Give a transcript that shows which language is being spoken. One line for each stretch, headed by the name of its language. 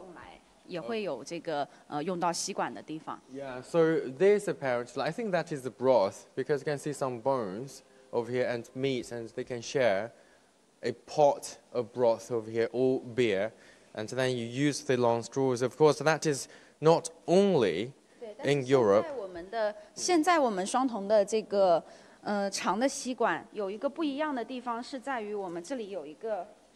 Chinese: 对,啤酒,然后也有这种动物的这种骨头汤,也会用到吸管的地方。
English: Yeah, so this apparently, I think that is the broth, because you can see some bones over here and meat, and they can share a pot of broth over here, or beer. And then you use the long straws. Of course, that is not only in Europe.
Chinese: 现在我们双瞳的这个长的吸管有一个不一样的地方是在于我们这里有一个